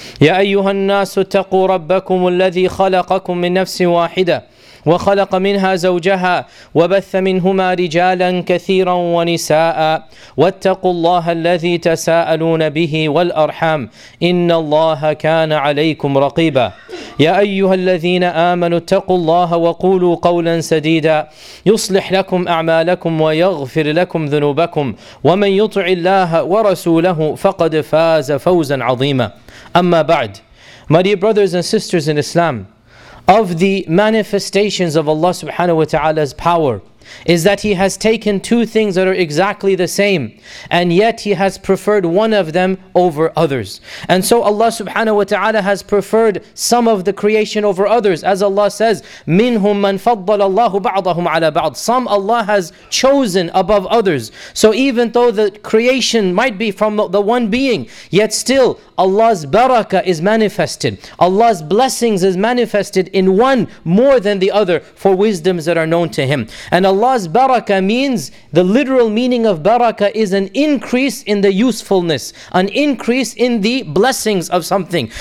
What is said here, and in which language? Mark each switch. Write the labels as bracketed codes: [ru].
[ar] يا أيها الناس اتقوا ربكم الذي خلقكم من نفس واحدة وخلق منها زوجها وبث منهما رجالا كثيرا ونساء، واتقوا الله الذي تساءلون به والأرحام، إن الله كان عليكم رقيبا. يا أيها الذين آمنوا اتقوا الله وقولوا قولا سديدا يصلح لكم أعمالكم ويغفر لكم ذنوبكم، ومن يطع الله ورسوله فقد فاز فوزا عظيما. أما بعد، [en] my dear brothers and sisters in Islam, of the manifestations of Allah subhanahu wa ta'ala's power is that He has taken two things that are exactly the same, and yet He has preferred one of them over others. And so Allah subhanahu wa ta'ala has preferred some of the creation over others. As Allah says, [ar] مِنْهُمْ مَنْ فَضَّلَ اللَّهُ بَعْضَهُمْ عَلَى بَعْضٍ. [en] Some Allah has chosen above others. So even though the creation might be from the one being, yet still Allah's barakah is manifested. Allah's blessings is manifested in one more than the other for wisdoms that are known to Him. And Allah's barakah means, the literal meaning of barakah is an increase in the usefulness, an increase in the blessings of something.